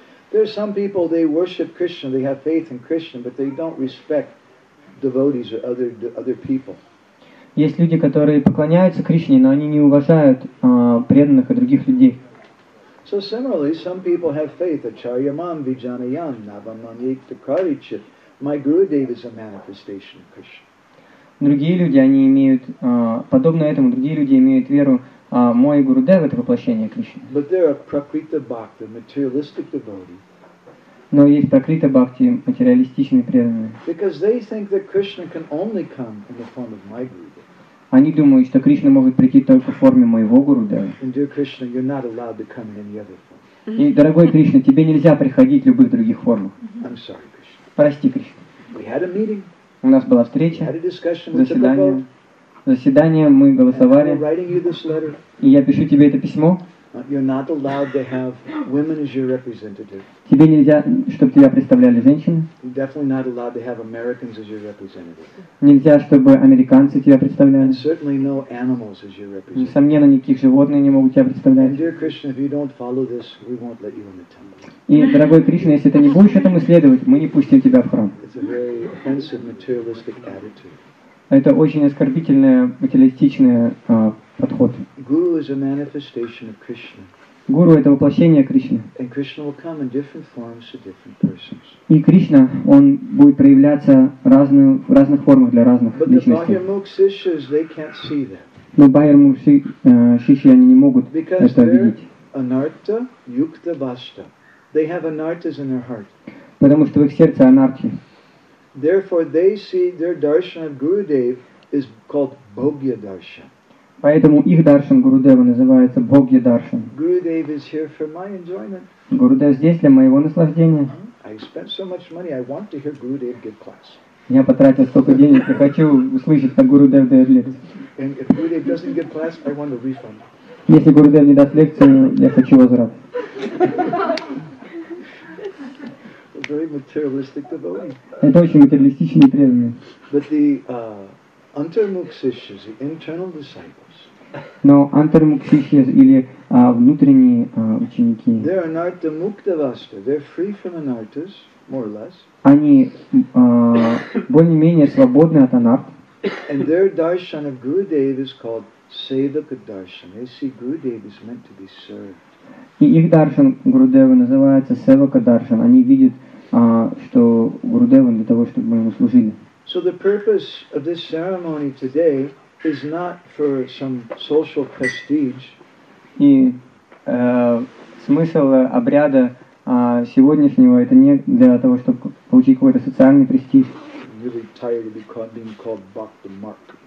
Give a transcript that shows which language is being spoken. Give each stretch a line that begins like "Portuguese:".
English: There are some people they worship Krishna, they have faith in Krishna, but they don't respect devotees or other people.
Russian: Есть люди, которые поклоняются Кришне, но они не уважают преданных и других людей.
English: So similarly, some people have faith.
Sanskrit: Acharya mam vijanayam navamanyek tukarichit.
English: My Gurudev is a manifestation of Krishna.
Russian: Другие люди, они имеют, подобно этому, другие люди имеют веру, мой Гурудев — это воплощение Кришны.
English: But there are prakriti bhakti, materialistic devotees.
Russian: Но есть прокрита бхакти, материалистичные преданные.
English: Because they think that Krishna can only come in the form of my Gurudev.
Russian: Они думают, что Кришна может прийти только в форме моего Гурудева.
English: And dear Krishna, you're not allowed to come in any other form.
Russian: И, дорогой Кришна, тебе нельзя приходить в любых других формах.
English: I'm sorry, Krishna.
Russian: Прости, Кришна.
English: We had a meeting.
Russian: У нас была встреча.
English: We had a discussion with the Prabhu.
Russian: Заседание, мы голосовали.
English: And I'm writing you this letter.
Russian: И я пишу тебе это письмо.
English: You're not allowed to have women as your representative.
Russian: Тебе нельзя, чтобы тебя представляли женщины.
English: You're definitely not allowed to have Americans as your representative.
Russian: Нельзя, чтобы американцы тебя представляли.
English: And certainly no animals as your representative.
Russian: Несомненно, никаких животных не могут тебя представлять.
English: And dear Krishna, if you don't follow this, we won't let you in the temple.
Russian: И, дорогой Кришна, если ты не будешь этому следовать, мы не пустим тебя в храм.
English: It's a very offensive materialistic attitude.
Russian: Это очень оскорбительный, материалистичный подход.
English: Guru is a manifestation of Krishna.
Russian: Гуру — это воплощение Кришны.
English: And Krishna will come in different forms to different persons.
Russian: И Кришна, он будет проявляться в разных формах для разных личностей. Но бхайр-мукшиши, они не могут это видеть.
Sanskrit: Anartha, yukta, vashta.
English: They have anarthas in their heart.
Russian: Потому что в их сердце анархи.
English: Therefore, they see their darshan of Gurudev is called bhogya darshan.
Russian: Поэтому их даршан Гурудева называется бхогья даршан.
English: Gurudev is here for my enjoyment.
Russian: Гурудев здесь для моего наслаждения.
English: I spent so much money. I want to hear Gurudev give class.
Russian: Я потратил столько денег, я хочу услышать, как Гурудев дает лекцию.
English: And if Gurudev doesn't give class, I want a refund.
Russian: Если Гурудев не даст лекцию, я хочу возврат.
English: Very materialistic devotee.
Russian: Это очень материалистичные преданные.
English: But the antarmukshishyas, the internal disciples.
Russian: Но antarmukshishyas или внутренние ученики.
English: They're anartha muktavasta. They're free from anarthas, more or less.
Russian: Они более-менее свободны от анарт.
English: And their darshan of Gurudev is called sevaka darshan. They see Gurudev is meant to be served.
Russian: И их даршан Гурудева называется севака даршан. Они видят что Гурудев для того, чтобы мы ему служили.
English: So the purpose of this ceremony today is not for some social prestige.
Russian: И смысл обряда сегодняшнего это не для того, чтобы получить какой-то социальный престиж.
English: I'm really tired of being called Bhakta Mark.